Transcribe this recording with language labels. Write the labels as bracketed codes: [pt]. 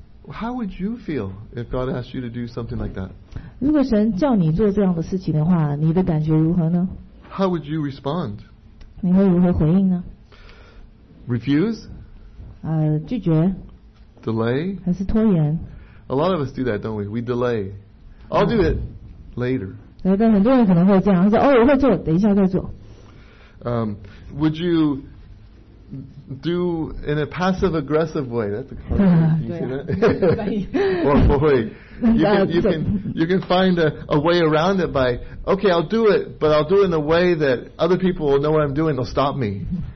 [en] How would you feel if God asked you to do something like that? [zh] 如果神叫你做这样的事情的话,你的感觉如何呢? [en] How would you respond? [zh] 你会如何回应呢? [en] Refuse? [zh] 拒绝? [en] Delay? [zh] 还是拖延? [en] A lot of us do that, don't we? We delay. I'll do it later. [zh] 但很多人可能会这样，他说：“哦，我会做，等一下再做。” [en] Would you do in a passive-aggressive way? That's a hard word. You see that? you can find a way around it by, okay, I'll do it, but I'll do it in a way that other people will know what I'm doing. They'll stop me.